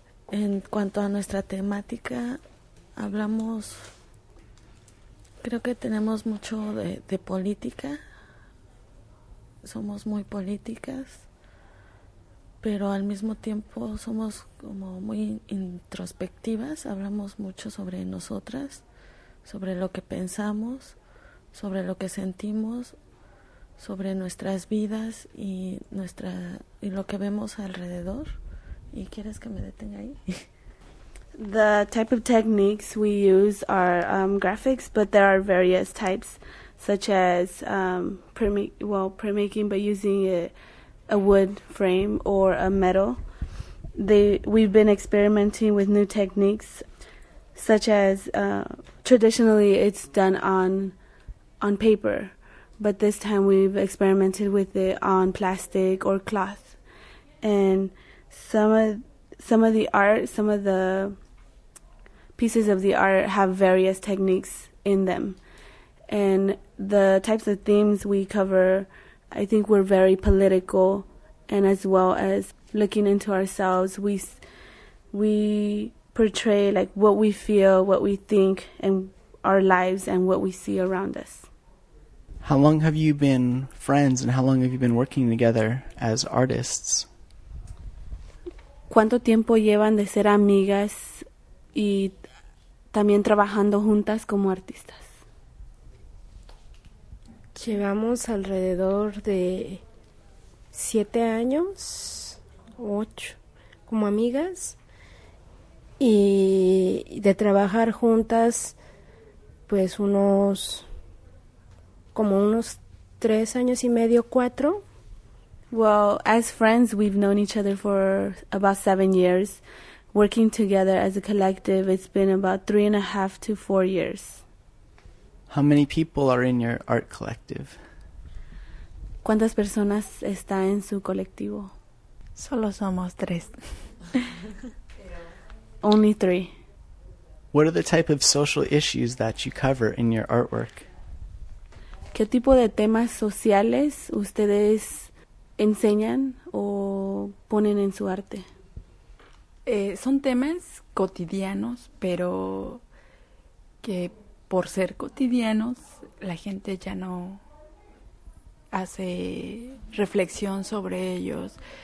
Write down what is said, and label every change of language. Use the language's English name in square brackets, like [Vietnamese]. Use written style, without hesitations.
[Spanish] En cuanto a nuestra temática, hablamos, creo que tenemos mucho de política, somos muy políticas, pero al mismo tiempo somos como muy introspectivas, hablamos mucho sobre nosotras, sobre lo que pensamos, sobre lo que sentimos, sobre nuestras vidas y lo que vemos alrededor. ¿Y quieres que me detenga ahí? [English] The type of techniques we use are graphics, but there are various types, such as printmaking, but using a wood frame or a metal. We've been experimenting with new techniques, such as traditionally it's done on paper, but this time we've experimented with it on plastic or cloth. And some of the pieces of the art have various techniques in them. And the types of themes we cover, I think, were very political, and as well as looking into ourselves, we portray like what we feel, what we think, and our lives and what we see around us. How long have you been friends, and how long have you been working together as artists? [Spanish] ¿cuánto tiempo llevan de ser amigas y también trabajando juntas como artistas? Llevamos alrededor de 7 años, 8, como amigas. Y de trabajar juntas, pues unos, como unos 3 años y medio, 4. [English] Well, as friends, we've known each other for about 7 years. Working together as a collective, it's been about 3.5 to 4 years. How many people are in your art collective? [Spanish] ¿Cuántas personas está en su colectivo? Solo somos 3. [English] Only 3. What are the type of social issues that you cover in your artwork? [Spanish] ¿Qué tipo de temas sociales ustedes enseñan o ponen en su arte? Son temas cotidianos, pero que por ser cotidianos la gente ya no hace reflexión sobre ellos.